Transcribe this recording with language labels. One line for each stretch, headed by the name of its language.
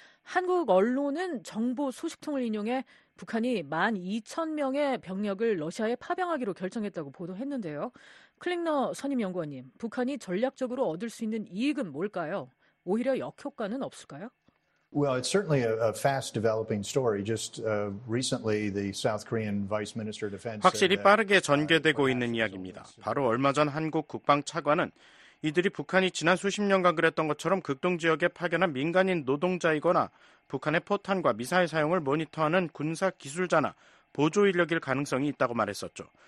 Korean: 한국 언론은 정보 소식통을 인용해 북한이 12,000명의 병력을 러시아에 파병하기로 결정했다고 보도했는데요. 클링너 선임연구원님, 북한이 전략적으로 얻을 수 있는 이익은 뭘까요? 오히려 역효과는 없을까요?
English: Well, it's certainly a fast developing story. Just recently, the South Korean Vice Minister of Defense.
Korean: 확실히 빠르게 전개되고 있는 이야기입니다. 바로 얼마 전 한국 국방 차관은 이들이 북한이 지난 수십 년간 그랬던 것처럼 극동지역에 파견한 민간인 노동자이거나 북한의 포탄과 미사일 사용을 모니터하는 군사기술자나 보조인력일 가능성이 있다고 말했었죠.